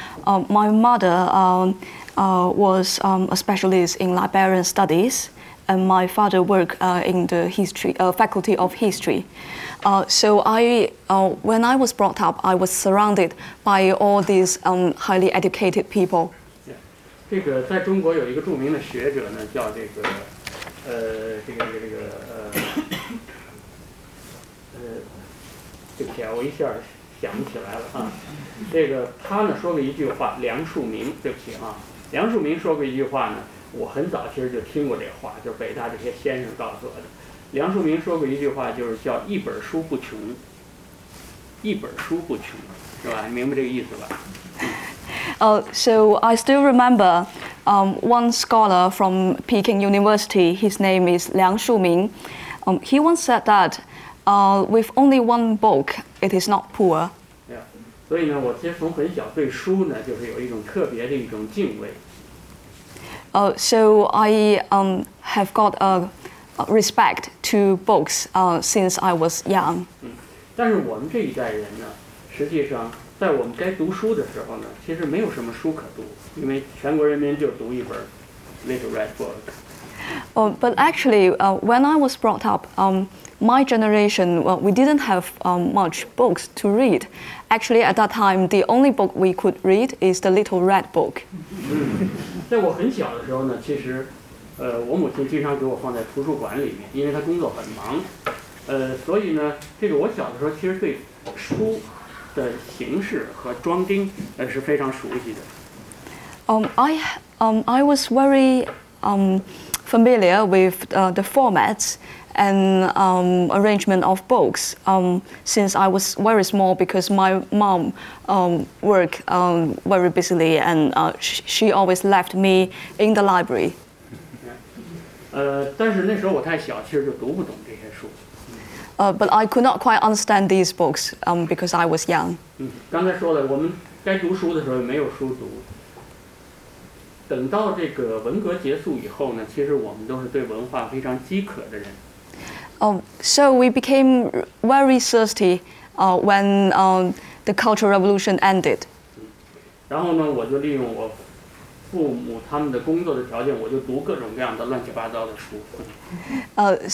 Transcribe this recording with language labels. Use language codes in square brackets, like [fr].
[en] My mother was a specialist in librarian studies, and my father worked in the history faculty of history. When I was brought up, I was surrounded by all these highly educated people. [zh] Yeah. 这个在中国有一个著名的学者呢，叫这个想不起来了啊。这个他呢说过一句话，梁漱溟，对不起啊，梁漱溟说过一句话呢，我很早其实就听过这话，就是北大这些先生告诉我的。梁漱溟说过一句话，就是叫一本书不穷，一本书不穷，是吧？明白这个意思吧？ [en] So I still remember one scholar from Peking University, his name is Liang Shuming. He once said that with only one book, it is not poor. Yeah. [zh] 所以呢，我其实从很小对书呢，就是有一种特别的一种敬畏。 [en] So I have got a respect to books since I was young. [zh] 但是我们这一代人呢，实际上在我们该读书的时候呢，其实没有什么书可读，因为全国人民就读一本 Little Red Book. [en] But actually, when I was brought up, my generation, we didn't have much books to read. Actually, at that time, the only book we could read is the Little Red Book. [zh] 在我很小的时候呢，其实，我母亲经常给我放在图书馆里面，因为她工作很忙，所以呢，这个我小的时候其实对书的形式和装订是非常熟悉的。 [en] I was very familiar with the formats and arrangement of books since I was very small because my mom worked very busily and she always left me in the library. [zh] 但是那时候我太小，其实就读不懂这些书。 [en] But I could not quite understand these books because I was young. [zh] 刚才说了，我们该读书的时候没有书读。等到这个文革结束以后呢，其实我们都是对文化非常饥渴的人。 [en] So we became very thirsty when the Cultural Revolution ended. [zh] 然后呢，我就利用我父母他们的工作的条件，我就读各种各样的乱七八糟的书。